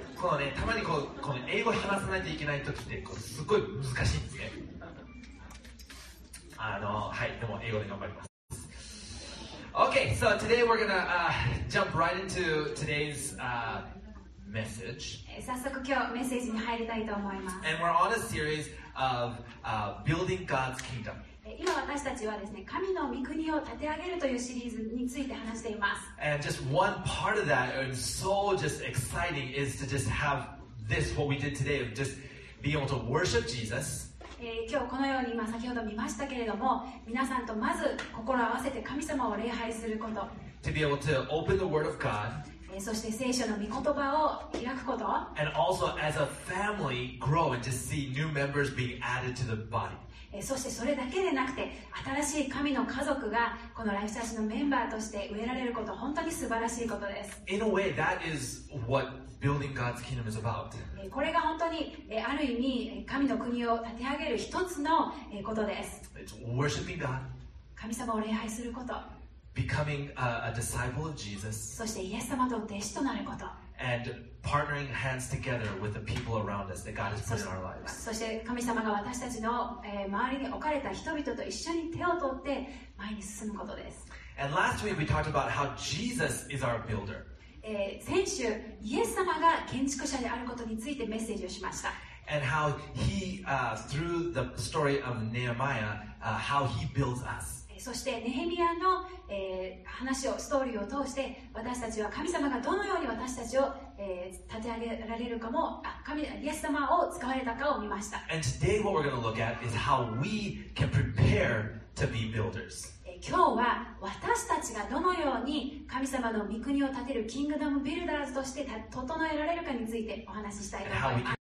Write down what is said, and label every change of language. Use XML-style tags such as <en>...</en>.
<ja>このね、たまにこの英語話さないといけない時ってすごい難しいんですね。はい、でも英語で頑張ります。</ja> <en>Okay, so today we're gonna jump right into today's message.</en> <ja>早速今日メッセージに入りたいと思います。</ja> <en>And we're on a series of building God's kingdom.</en> <ja>今私たちはですね、神の御国を建て上げるというシリーズについて話しています。</ja> <en>And just one part of that, and so just exciting, is to just have this, what we did today, just be able to worship Jesus.</en> <ja>今日このように今先ほど見ましたけれども、皆さんとまず心を合わせて神様を礼拝すること。</ja> <en>To be able to open the Word of God.</en> <ja>そして聖書の御言葉を開くこと。</ja> <en>And also as a family grow and just see new members being added to the body.</en> <ja>そしてそれだけでなくて、新しい神の家族がこのライフチャーチのメンバーとして植えられること、本当に素晴らしいことです。</ja> <en>In a way, that is what building God's kingdom is about.</en> <ja>これが本当にある意味神の国を立て上げる一つのことです。</ja> <en>It's worshiping God.</en> <ja>神様を礼拝すること。</ja> <en>Becoming a disciple of Jesus.</en> <ja>そしてイエス様と弟子となること。</ja> <en>And partnering hands together with the people around us that God has put in our lives.</en> <ja>そして神様が私たちの周りに置かれた人々と一緒に手を取って前に進むことです。</ja> <en>And last week we talked about how Jesus is our builder.</en> <ja>先週イエス様が建築者であることについてメッセージをしました。</ja> <en>And how he, through the story of Nehemiah, how he builds us.</en> <ja>そしてネヘミヤの、話をストーリーを通して私たちは神様がどのように私たちを、立て上げられるかも、神イエス様を使われたかを見ました。</ja> <en>And today what we're going to look at is how we can prepare to be builders.</en> <ja>今日は私たちがどのように神様の御国を建てるキングダムビルダーズとして整えられるかについてお話ししたいと思います。</ja>